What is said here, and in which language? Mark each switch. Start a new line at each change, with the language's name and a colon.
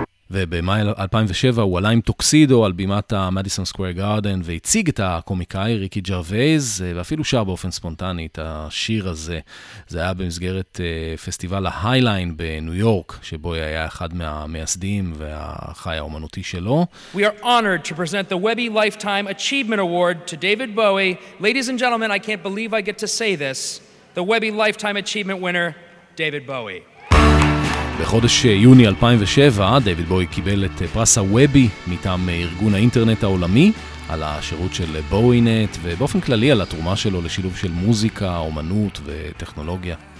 Hebrew: ובמאי 2007 הוא עלה עם טוקסידו על בימת המדיסון סקוויר גארדן והציג את הקומיקאי ריקי ג'רווייז, ואפילו שר באופן ספונטני את השיר הזה. זה היה במסגרת פסטיבל ההייליין בניו יורק, שבו היה אחד מהמייסדים והחי האומנותי שלו.
English: We are honored to present the Webby Lifetime Achievement Award to David Bowie. Ladies and gentlemen, I can't believe I get to say this. The Webby Lifetime Achievement winner, David Bowie.
Hebrew: בחודש יוני 2007, דיוויד בואי קיבל את פרס הוובי מטעם ארגון האינטרנט העולמי על השירות של בואינט, ובאופן כללי על התרומה שלו לשילוב של מוזיקה, אומנות וטכנולוגיה.